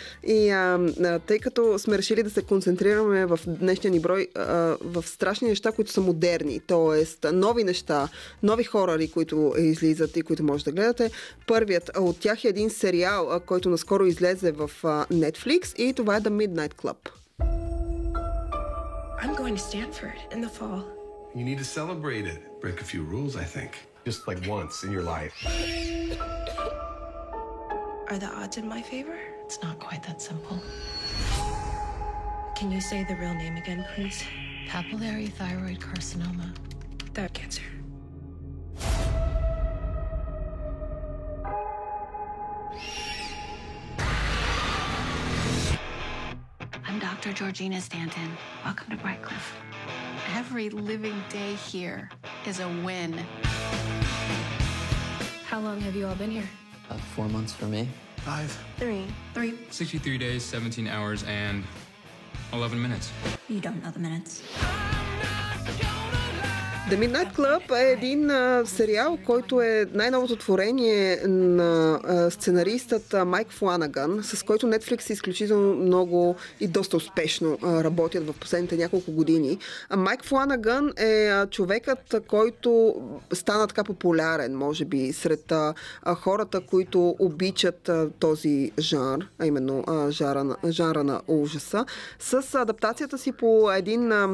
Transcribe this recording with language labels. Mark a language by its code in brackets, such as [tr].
[bg] И тъй като сме решили да се концентрираме в днешния ни брой в страшни неща, които са модерни, т.е. нови неща, нови хорори, които излизат и които може да гледате, първият от тях е един сериал, който наскоро излезе в Netflix, и това е The Midnight Club. [en] I'm going to Stanford in the fall. You need to celebrate it. Break a few rules, I think. Just like once in your life. Are the odds in my favor? It's not quite that simple. Can you say the real name again, please? Papillary thyroid carcinoma. That cancer. I'm Dr. Georgina Stanton. Welcome to Brightcliff. Every living day here is a win. How long have you all been here? About 4 months for me. Five. Three. 63 days, 17 hours, and 11 minutes. You don't know the minutes. [bg] The Midnight Club е един сериал, който е най-новото творение на сценаристът Майк Фланаган, с който Netflix изключително много и доста успешно работят в последните няколко години. Майк Фланаган е човекът, който стана така популярен, може би, сред хората, които обичат този жанр, а именно жанра на ужаса, с адаптацията си по един...